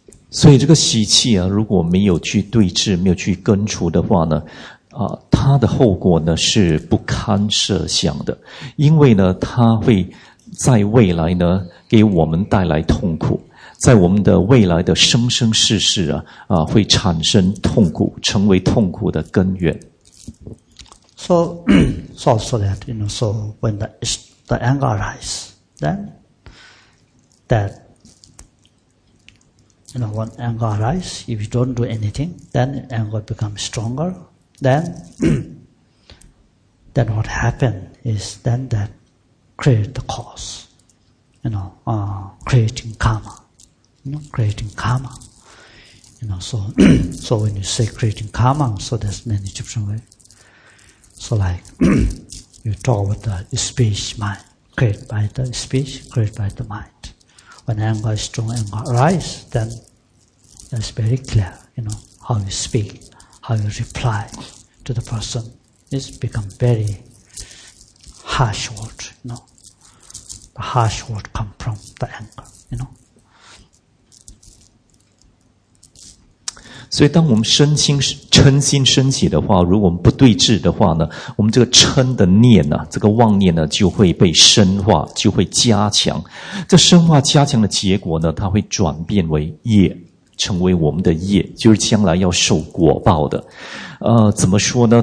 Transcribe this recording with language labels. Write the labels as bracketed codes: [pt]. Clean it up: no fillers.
[zh] 所以这个习气啊，如果没有去对峙，没有去根除的话呢，它的后果呢是不堪设想的，因为呢，它会在未来呢给我们带来痛苦。在我们的未来的生生世世会产生痛苦，成为痛苦的根源。 [en] So also that, you know, so when the anger arise, then that, you know, when anger arise, if you don't do anything, then anger becomes stronger. Then what happened is then that create the cause, you know, creating karma. Creating karma, you know. So when you say creating karma, so there's many different ways. So like you talk about the speech mind, created by the speech, created by the mind. When anger is strong, anger arises, then that's very clear. You know how you speak, how you reply to the person, it's become very harsh word. You know, the harsh word come from the anger. You know. [zh] 所以当我们嗔心升起的话，如果我们不对峙的话呢，我们这个嗔的念啊，这个妄念呢就会被深化，就会加强。这深化加强的结果呢，它会转变为业，成为我们的业，就是将来要受果报的。怎么说呢？